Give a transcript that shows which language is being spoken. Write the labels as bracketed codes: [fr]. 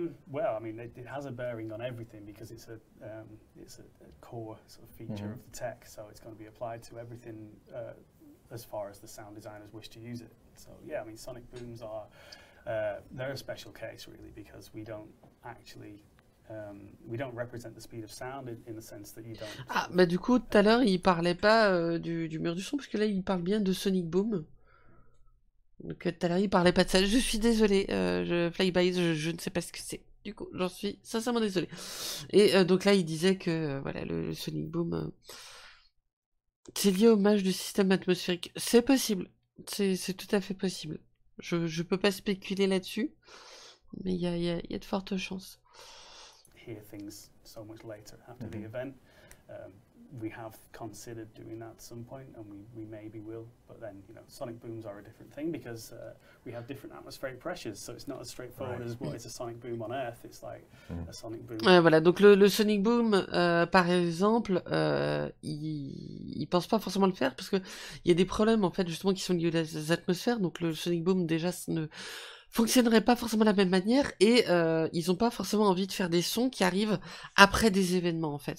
[en] Well, I mean, it has a bearing on everything because it's a core sort of feature of the tech, so it's going to be applied to everything as far as the sound designers wish to use it. So yeah, I mean, sonic booms are they're a special case really because we don't actually we don't represent the speed of sound in the sense that you don't. [fr] Ah, bah du coup, tout à l'heure, il parlait pas du mur du son, parce que là, il parle bien de sonic boom. Donc tout à l'heure, il parlait pas de ça. Je suis désolé, je ne sais pas ce que c'est. Du coup, j'en suis sincèrement désolé. Et donc là, il disait que voilà, le sonic boom, c'est lié au mage du système atmosphérique. C'est possible. C'est tout à fait possible. Je peux pas spéculer là-dessus, mais il y a de fortes chances. [en] Hear things so much later after the event. We have considered doing that at some point, and we maybe will. But then, you know, sonic booms are a different thing because we have different atmospheric pressures, so it's not as straightforward as what is a sonic boom on Earth. It's like a sonic boom. [fr] Voilà. Donc le sonic boom, par exemple, il pense pas forcément le faire parce que il y a des problèmes en fait justement qui sont liés aux atmosphères. Donc le sonic boom déjà ne fonctionnerait pas forcément de la même manière et ils n'ont pas forcément envie de faire des sons qui arrivent après des événements en fait.